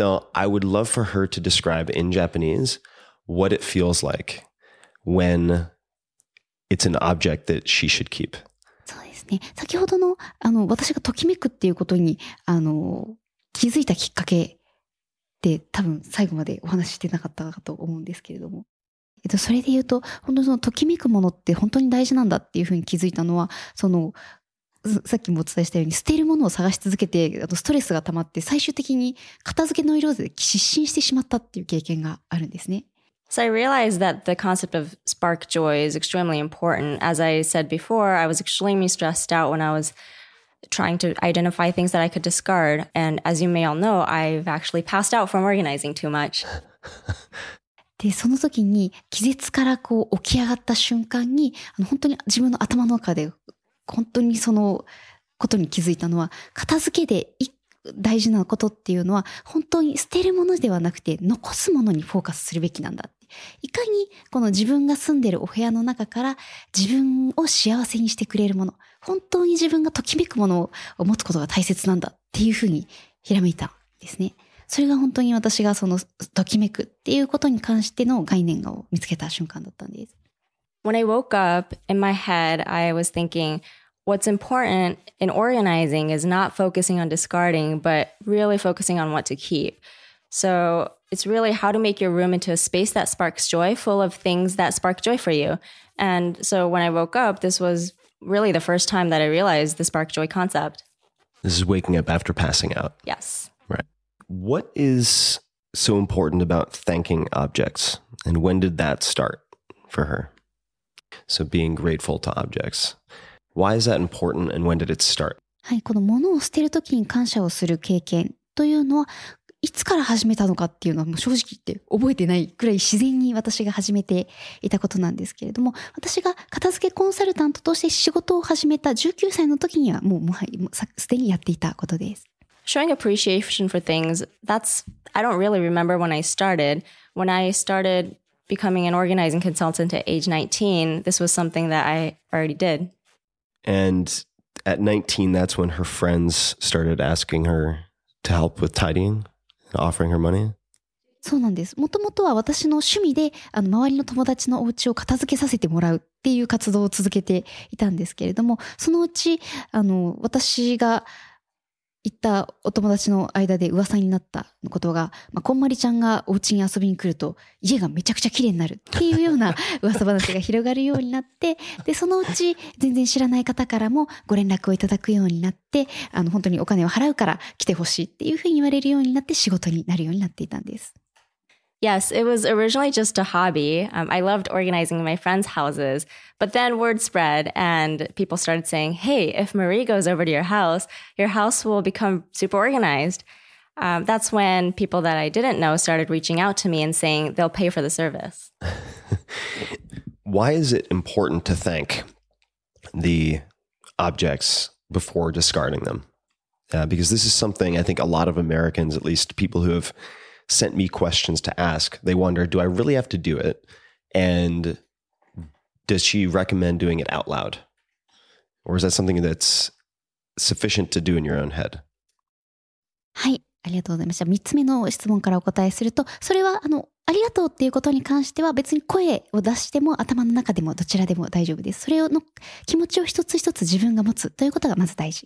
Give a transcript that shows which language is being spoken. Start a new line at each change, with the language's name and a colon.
English: So I would love for her to describe in Japanese what it feels like when it's an object that she should keep.
Japanese: そうですね。先ほどの、私がときめくっていうことに、気づいたきっかけで多分最後までお話ししてなかったかと思うんですけれども。それで言うと、本当にそのときめくものって本当に大事なんだっていうふうに気づいたのは、そのさっきもお伝えしたように捨てるものを探し続けてストレスが溜まって最終的に片付けノイローゼで失神してしまったっていう経験があるんですね。
English: So I realized that the concept of spark joy is extremely important. As I said before, I was extremely stressed out when I was trying to identify things that I could discard. And as you may all know, I've actually passed out from organizing too much.
Japanese: で、その時に気絶からこう起き上がった瞬間に本当に自分の頭の中で本当にそのことに気づいたのは、片付けで大事なことっていうのは、本当に捨てるものではなくて、残すものにフォーカスするべきなんだ。いかにこの自分が住んでるお部屋の中から自分を幸せにしてくれるもの、本当に自分がときめくものを持つことが大切なんだっていうふうにひらめいたんですね。それが本当に私がそのときめくっていうことに関しての概念を見つけた瞬間だったんです。
English: When I woke up in my head, I was thinking, what's important in organizing is not focusing on discarding, but really focusing on what to keep. So it's really how to make your room into a space that sparks joy, full of things that spark joy for you. And so when I woke up, this was really the first time that I realized the spark joy concept. This is waking up after passing out. Yes. Right. What is so important about thanking objects? And when did that start for her? So being grateful to objects. Why is that important and when did it start?
Japanese: はい、この物を捨てるときに感謝をする経験というのは、いつから始めたのかっていうのはもう正直言って覚えてないくらい自然に私が始めていたことなんですけれども、私が片付けコンサルタントとして仕事を始めた19歳の時にはもうもはやすでにやっていたことです。
English: Showing appreciation for things, that's, I don't really remember when I started. When I started becoming an organizing consultant at age 19, this was something that I already did. And at 19, that's when her friends started asking her to help with tidying, offering her money?
Japanese: そうなんです。もともとは私の趣味で、あの周りの友達のお家を片付けさせてもらうっていう活動を続けていたんですけれども、そのうち、あの私が行ったお友達の間で噂になったのことが、まあ、こんまりちゃんがお家に遊びに来ると家がめちゃくちゃ綺麗になるっていうような噂話が広がるようになって、でそのうち全然知らない方からもご連絡をいただくようになって、あの本当にお金を払うから来てほしいっていうふうに言われるようになって仕事になるようになっていたんです。
English: Yes, it was originally just a hobby. I loved organizing my friends' houses. But then word spread and people started saying, hey, if Marie goes over to your house will become super organized. That's when people that I didn't know started reaching out to me and saying they'll pay for the service. Why is it important to thank the objects before discarding them? Because this is something I think a lot of Americans, at least people who have sent me questions to ask, they wonder, do I really have to do it? And does she recommend doing it out loud? Or is that something that's sufficient to do in your own head?
Japanese: はい、ありがとうございました。3つ目の質問からお答えすると、それはあの、ありがとうっていうことに関しては別に声を出しても頭の中でもどちらでも大丈夫です。それの気持ちを一つ一つ自分が持つということがまず大事。